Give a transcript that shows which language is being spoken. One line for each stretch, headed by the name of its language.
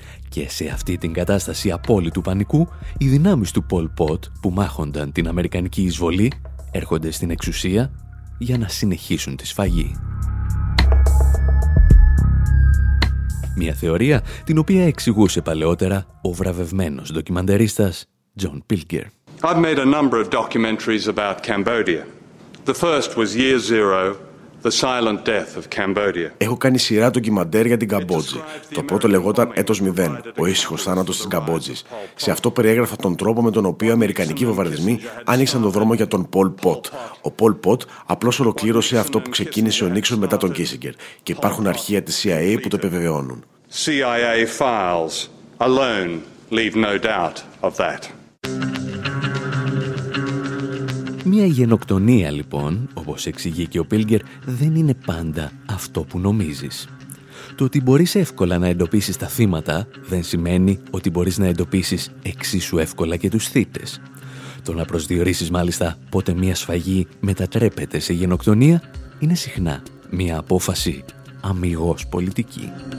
Greek: Και σε αυτή την κατάσταση απόλυτου πανικού, οι δυνάμεις του Πολ Ποτ που μάχονταν την αμερικανική εισβολή έρχονται στην εξουσία για να συνεχίσουν τη σφαγή. Μια θεωρία την οποία εξηγούσε παλαιότερα ο βραβευμένος ντοκιμαντερίστας John Pilger.
English: I've made a number of documentaries about Cambodia. The first was Year Zero, The Silent Death of Cambodia.
Greek: Έχω κάνει σειρά ντοκιμαντέρ για την Καμπότζη. Το πρώτο λεγόταν Έτος Μηδέν, ο ήσυχος θάνατος της Καμπότζης. Σε αυτό περιέγραφα τον τρόπο με τον οποίο αμερικανικοί βομβαρδισμοί άνοιξαν τον δρόμο για τον Πολ Ποτ. Ο Πολ Ποτ απλώς ολοκλήρωσε αυτό που ξεκίνησε ο Νίξον μετά τον Κίσιγκερ. Και υπάρχουν αρχεία της CIA που το επιβεβαιώνουν.
English: CIA files alone leave no doubt of that.
Greek: Μια γενοκτονία, λοιπόν, όπως εξηγεί και ο Πίλγκερ, δεν είναι πάντα αυτό που νομίζεις. Το ότι μπορείς εύκολα να εντοπίσεις τα θύματα δεν σημαίνει ότι μπορείς να εντοπίσεις εξίσου εύκολα και τους θύτες. Το να προσδιορίσεις, μάλιστα, πότε μια σφαγή μετατρέπεται σε γενοκτονία είναι συχνά μια απόφαση αμιγώς πολιτική.